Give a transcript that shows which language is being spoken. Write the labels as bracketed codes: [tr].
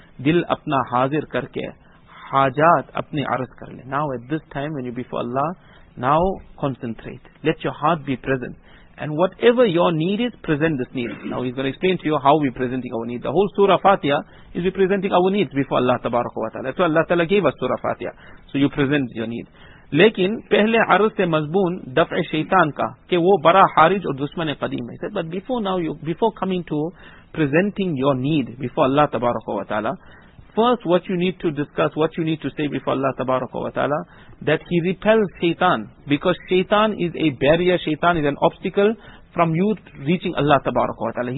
[ur] Dil apna hazir karke حاجات اپنے عرض کر لیں. [en] Now at this time when you before Allah, now concentrate. Let your heart be present. And whatever your need is, present this need. Now he's going to explain to you how we presenting our need. The whole Surah Fatiha is we presenting our needs before Allah Tabaraka wa Ta'ala. So Allah Ta'ala gave us Surah Fatiha. So you present your need. [ur] لیکن پہلے عرض سے مضمون دفع شیطان کا کہ وہ بڑا حارج اور دشمن قدیم ہے. [en] But before now, you before coming to presenting your need before Allah Tabaraka wa Ta'ala, first, what you need to discuss, what you need to say before Allah Tabaraka wa Ta'ala, that he repels shaitan, because shaitan is a barrier, shaitan is an obstacle from you reaching Allah Tabaraka wa Ta'ala.